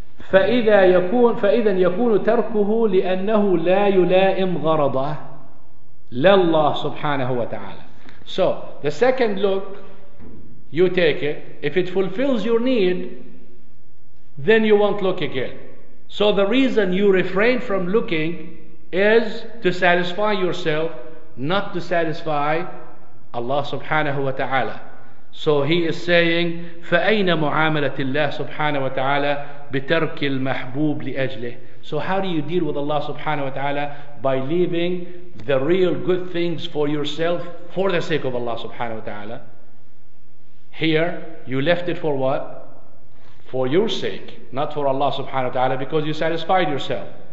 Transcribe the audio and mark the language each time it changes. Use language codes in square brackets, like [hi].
[ar] فإذا يكون تركه لأنه لا يلائم غرضه لله سبحانه وتعالى. [en] So the second look you take it, if it fulfills your need, then you won't look again. So the reason you refrain from looking is to satisfy yourself, not to satisfy Allah subhanahu wa ta'ala. So he is saying, [ar] فَأَيْنَ مُعَامَلَةِ اللَّهِ سُبْحَانَهُ وَتَعَالَى بِتَرْكِ الْمَحْبُوبِ لِأَجْلِهِ. [en] So how do you deal with Allah subhanahu wa ta'ala? By leaving the real good things for yourself for the sake of Allah subhanahu wa ta'ala. Here, you left it for what? For your sake, not for Allah subhanahu wa ta'ala, because you satisfied yourself.